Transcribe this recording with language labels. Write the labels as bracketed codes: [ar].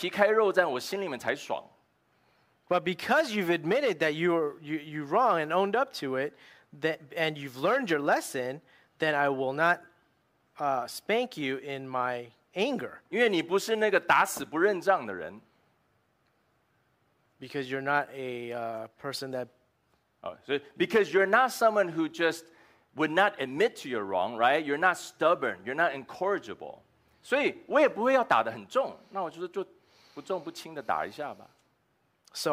[zh] 可是你已经认错了，我毕竟我的目的是让你学，所以我不会在我的愤怒当中用力的打你，我好像要把你打到皮开肉绽，我心里面才爽。 [en] But because you've admitted that you wrong and owned up to it, that and you've learned your lesson, then I will not spank you in my anger. [zh] 因为你不是那个打死不认账的人。 [en] Because you're not a person that So because you're not someone who just would not admit to your wrong, right? You're not stubborn. You're not incorrigible. [zh] 所以我也不会要打得很重。那我就是就不重不轻的打一下吧。 [en] So